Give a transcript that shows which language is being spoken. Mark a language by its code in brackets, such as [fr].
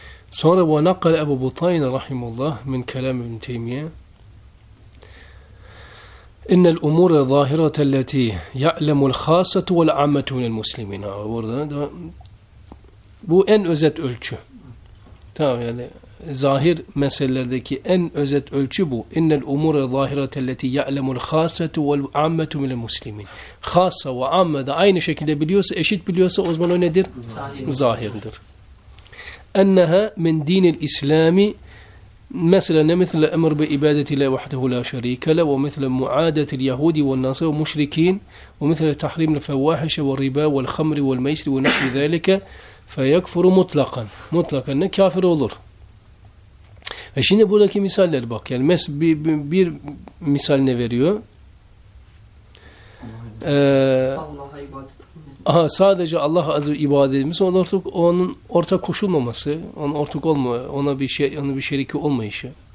[tr] Sonra ve nakal Ebu Butayn rahimullah min kelam ibn Teymiye [ar] إن الأمور الظاهرة التي يعلم الخاصة والعامة من المسلمين. [tr] Burada da bu en özet ölçü. Tamam yani zahir meselelerdeki en özet ölçü bu. [ar] إن الأمور الظاهرة التي يعلم الخاصة والعامة من المسلمين. خاصة وعامة [tr] da aynı şekilde biliyorsa, eşit biliyorsa o zaman o nedir? Zahirdir. [ar] أنها من دين الإسلام مثلا مثل امر بعباده الله وحده لا شريك له ومثل معاده اليهود والنصارى والمشركين ومثل تحريم الفواحش والربا والخمر والميسر ونحو ذلك فيكفر مطلقا مطلقا كافر [tr] olur. E şimdi buradaki misaller bak yani bir misal ne veriyor? Allah'a ibadet Aha, sadece Allah'a az ibadetimiz onun ortak koşulmaması, onun ortak olma, ona bir şey, onun bir şeriki olmayışı.